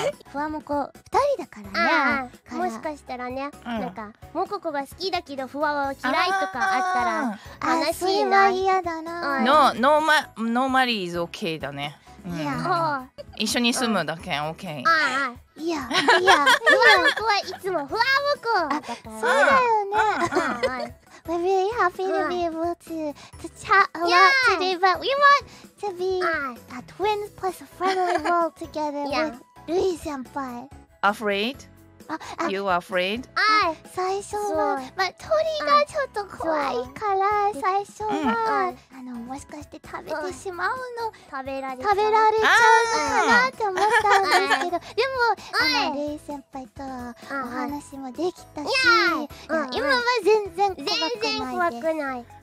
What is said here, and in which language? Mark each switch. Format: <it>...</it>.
<ja>ふわもこ二人だからね。もしかしたらね、なんかモココが好きだけどふわは嫌いとかあったら悲しいな。嫌だな。</ja> <en>No, nobody is okay だね。</en> <ja>いや、一緒に住むだけ、OK。ああ、いや、ふわもこはいつもふわもこ。そうだよね。</ja> <en>We're really happy to be able to chat a lot today, but we want to be a twins plus a friendly world together with Rui senpai. Afraid? You afraid?</en> <ja>最初は、まあ鳥がちょっと怖いから、最初は。もしかして食べてしまうの、食べられちゃうのかなって思ったんですけど、でもレイ先輩とはお話もできたし、今は全然怖くないです。</ja>